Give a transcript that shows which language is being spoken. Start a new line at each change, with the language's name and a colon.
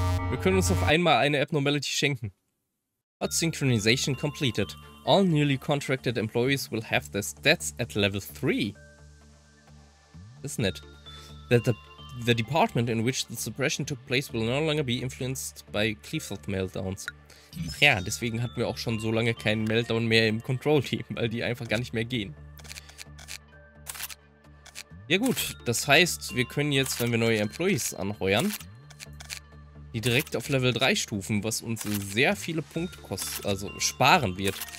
German: Wir können uns auf einmal eine Abnormality schenken.
English: Hot synchronization completed. All newly contracted employees will have their stats at level 3. Isn't it? That the department in which the suppression took place will no longer be influenced by Clefha meltdowns.
German: Ach ja, deswegen hatten wir auch schon so lange keinen Meltdown mehr im Control Team, weil die einfach gar nicht mehr gehen. Ja gut, das heißt, wir können jetzt, wenn wir neue Employees anheuern, die direkt auf Level 3 stufen, was uns sehr viele Punkte kostet, also sparen wird.